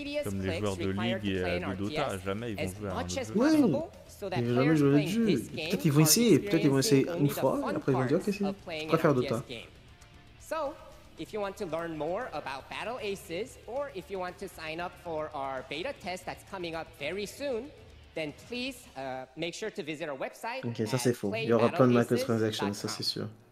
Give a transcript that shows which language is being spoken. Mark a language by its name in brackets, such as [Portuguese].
[French] Comme les joueurs de League et de Dota, jamais ils vont jouer à un jeu. Ouais, ils ne vont jamais jouer à un jeu. Peut-être ils vont essayer une fois, après ils vont dire ok, c'est. Je préfère Dota. [English] So, if you want to learn more about Battle Aces, or if you want to sign up for our beta test that's coming up very soon, then please make sure to visit our website. [French] Ok, ça c'est faux. Il y aura plein de microtransactions, ça c'est sûr.